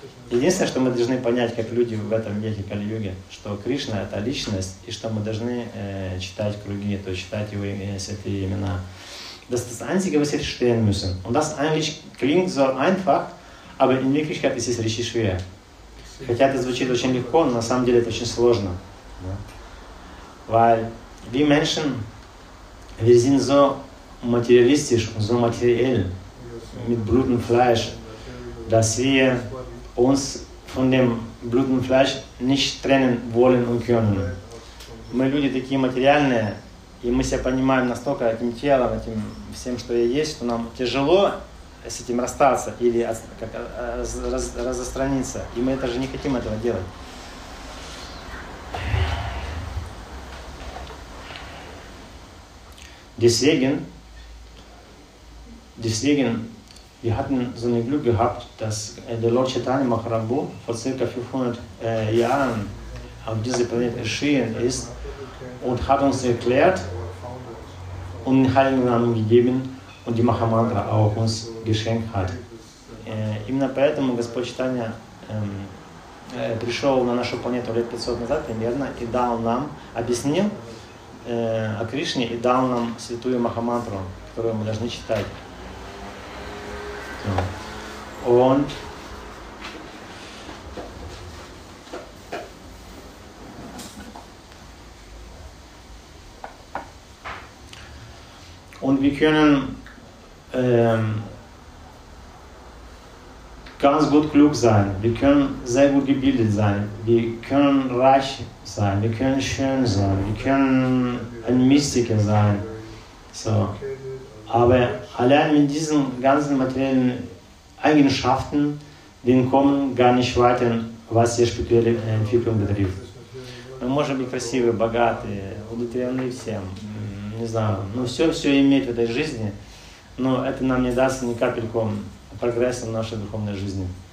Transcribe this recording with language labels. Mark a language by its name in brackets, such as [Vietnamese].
[Russian] Единственное, что мы должны понять, как люди в этом веке Кали-Юге, что Кришна – это личность, и что мы должны читать круги, то есть читать его святые имена. [German] Das ist das Einzige, was wir verstehen müssen. Und das eigentlich klingt so einfach, aber in Wirklichkeit ist es richtig schwer. [Russian] Хотя это звучит очень легко, но на самом деле это очень сложно. [German] Weil wir Menschen, wir sind so materialistisch, so materiell, mit Blut und Fleisch, dass wir uns von dem Blut und Fleisch nicht trennen wollen und können. [Russian] Мы люди такие материальные, и мы себя понимаем настолько этим телом, этим всем, что я есть, что нам тяжело с этим расстаться или как разостраниться. И мы даже не хотим этого делать. [German] Deswegen wir hatten so ein Glück gehabt, dass der Lord Chaitanya Mahaprabhu vor ca. 500 Jahren auf diesem Planeten erschienen ist und hat uns erklärt und den Heiligen Namen gegeben und die Mahamantra auch uns geschenkt hat. [Russian] Именно поэтому Господь Chaitanya пришел на нашу планету лет 500 назад примерно и дал нам, объяснил о Кришне и дал нам святую Махамантру, которую мы должны читать. [German] So. Und wir können ganz gut klug sein, wir können sehr gut gebildet sein, wir können reich sein, wir können schön sein, wir können ein Mystiker sein. So. Aber allein mit diesen ganzen materiellen Eigenschaften, den kommen gar nicht weiter, was die spirituelle Entwicklung betrifft. [Russian] Мы можем быть красивы, богаты, удовлетворены всем, не знаю, ну все иметь в этой жизни, но это нам не даст ни капельку прогресса в нашей духовной жизни.